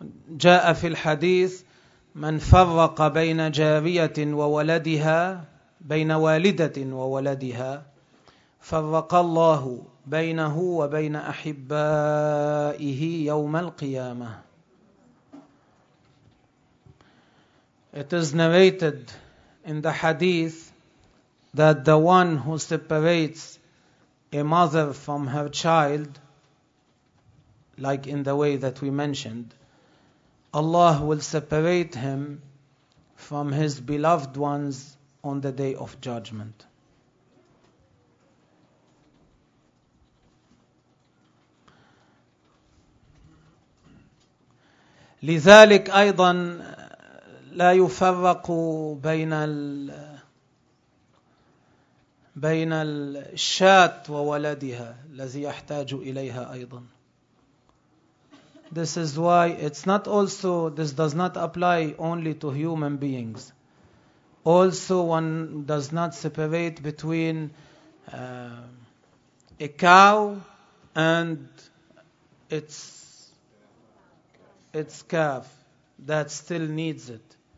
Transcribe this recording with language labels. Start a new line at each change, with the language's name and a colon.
Arabic: جاء في الحديث من فرق بين جارية وولدها بين والدة وولدها فرق الله بينه وبين أحبائه يوم القيامة.
English: It is narrated in the hadith that the one who separates a mother from her child, like in the way that we mentioned, Allah will separate him from his beloved ones on the Day of Judgment.
Arabic: لذلك أيضا لا يفرق بين بين الشات وولدها الذي يحتاج إليها أيضا.
English: This is why it's not also, this does not apply only to human beings. Also one does not separate between a cow and its calf that still needs it.